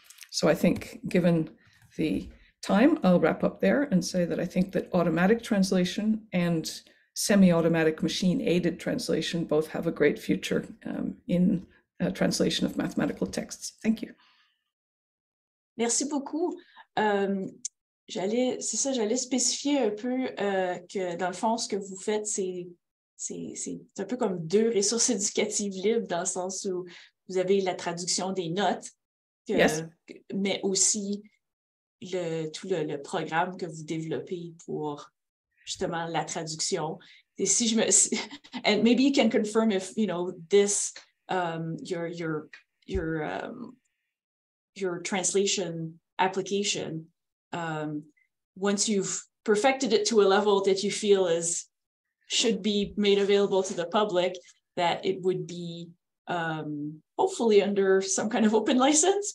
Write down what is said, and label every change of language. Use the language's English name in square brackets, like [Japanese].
[English] So I think given the time, I'll wrap up there and say that I think that automatic translation and semi-automatic machine-aided translation both have a great future in translation of mathematical texts. Thank you. [French] Merci beaucoup. J'allais spécifier un peu que dans le fond, ce que vous faites, c'est un peu comme deux ressources éducatives libres dans le sens où vous avez la traduction des notes, mais aussi tout le programme que vous développez pour justement la traduction. Et si je me, [English] and maybe you can confirm if you know this your translation application. Once you've perfected it to a level that you feel is should be made available to the public, that it would be hopefully under some kind of open license.